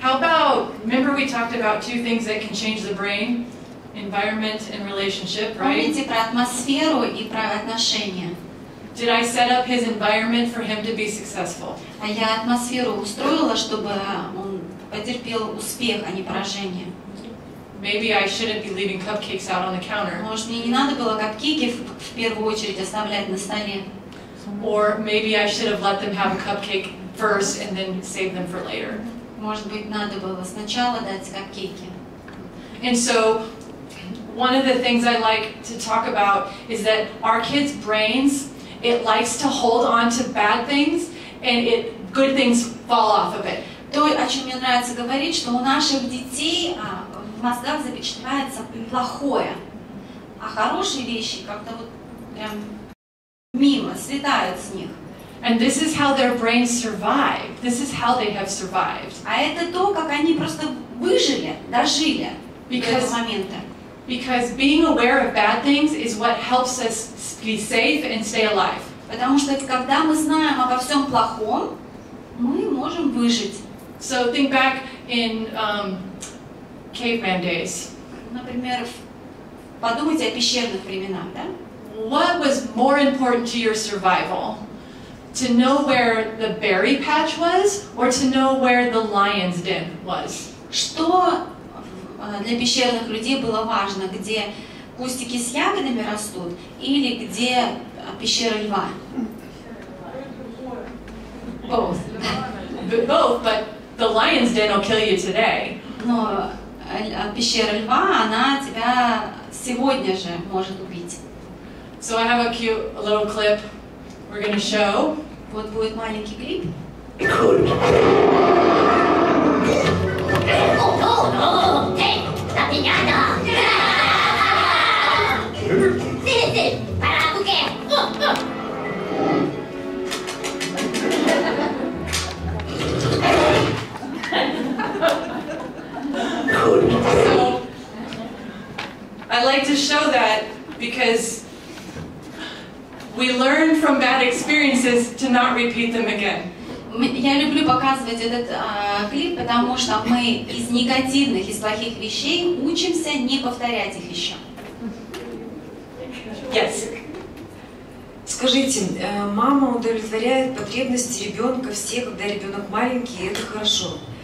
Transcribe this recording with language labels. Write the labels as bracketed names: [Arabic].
[English] How about, remember we talked about two things that can change the brain? Environment and relationship, right? [Russian] Помните про атмосферу и про отношения? [English] Did I set up his environment for him to be successful? [Russian] А я атмосферу устроила, чтобы он потерпел успех, а не поражение. [English] Maybe I shouldn't be leaving cupcakes out on the counter. [Russian] Может, мне не надо было капкейки в первую очередь оставлять на столе. [English] Or maybe I should have let them have a cupcake first and then save them for later. [Russian] Может быть, надо было сначала дать капкейки. [English] And so one of the things I like to talk about is that our kids' brains, it likes to hold on to bad things and it good things fall off of it. [Russian] То, о чём мне нравится говорить, что у наших детей в мозгах запечатляется плохое, а хорошие вещи как-то вот прям мимо слетают с них. [English] And this is how their brains survive. This is how they have survived. [Russian] А это то, как они просто выжили, дожили до этого момента. [English] Because being aware of bad things is what helps us be safe and stay alive. [Russian] Потому что когда мы знаем обо всем плохом, мы можем выжить. [English] So think back in caveman days. [Russian] Например, подумайте о пещерных временах, да? [English] What was more important to your survival? To know where the berry patch was or to know where the lion's den was? [Russian] Что для пещерных людей было важно, где кустики с ягодами растут или где пещера льва? [English] Both. Both, but the lion's den will kill you today. [Russian] Но пещера льва, она тебя сегодня же может убить. [English] So I have a cute little clip we're going to show. [Russian] Вот будет маленький клип. [English] I like to show that because we learn from bad experiences to not repeat them again. [Russian] Я люблю показывать этот клип, потому что мы из негативных, из плохих вещей учимся не повторять их еще. [English] Yes. [Russian] Скажите, мама удовлетворяет потребности ребенка все, когда ребенок маленький, и это хорошо.